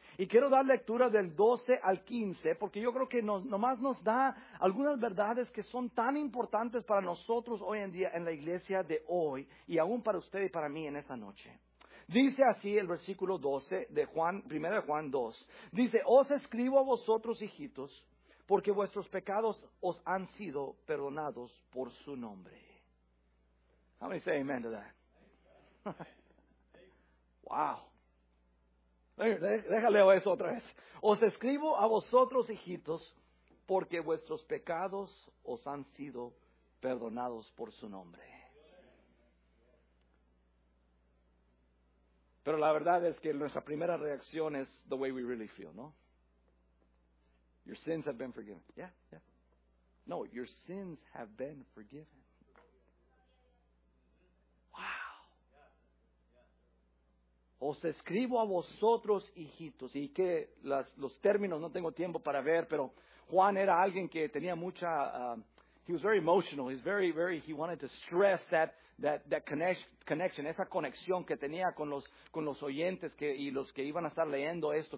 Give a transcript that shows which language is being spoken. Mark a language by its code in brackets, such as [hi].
[es] Y quiero dar lectura del 12 al 15, porque yo creo que nomás nos da algunas verdades que son tan importantes para nosotros hoy en día en la iglesia de hoy, y aún para usted y para mí en esta noche. Dice así el versículo 12 de Juan, 1 Juan 2. Dice, os escribo a vosotros, hijitos, porque vuestros pecados os han sido perdonados por su nombre. [en] How many say amen to that? [es] Wow. Déjale eso otra vez. Os escribo a vosotros, hijitos, porque vuestros pecados os han sido perdonados por su nombre. Pero la verdad es que nuestra primera reacción es [en] the way we really feel, [es] ¿no? [en] Your sins have been forgiven. Yeah, yeah. No, your sins have been forgiven. [es] Os escribo a vosotros, hijitos, y que los términos no tengo tiempo para ver, pero Juan era alguien que tenía mucha, [en] he was very emotional, he wanted to stress that, that connection, [es] esa conexión que tenía con los oyentes que, y los que iban a estar leyendo esto.